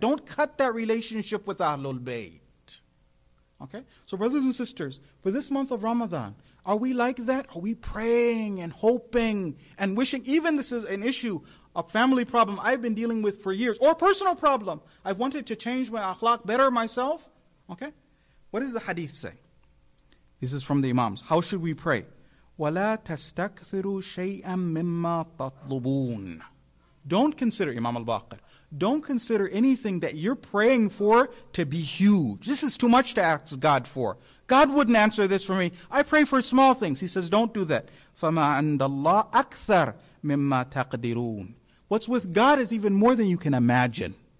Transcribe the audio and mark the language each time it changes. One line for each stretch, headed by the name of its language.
English: Don't cut that relationship with Ahlul Bayt. Okay, so brothers and sisters, for this month of Ramadan, are we like that? Are we praying and hoping and wishing? Even this is an issue, a family problem I've been dealing with for years, or a personal problem. I've wanted to change my akhlaq, better myself. Okay, what does the hadith say? This is from the imams. How should we pray?
Arabic: وَلَا تَسْتَكْثِرُوا شَيْئًا مِمَّا تَطْلُبُونَ
English: Don't consider, Imam al-Baqir, don't consider anything that you're praying for to be huge. This is too much to ask God for. God wouldn't answer this for me. I pray for small things. He says, don't do that.
Arabic: فَمَا عَنْدَ اللَّهِ أَكْثَرْ مِمَّا تَقْدِرُونَ
English: What's with God is even more than you can imagine.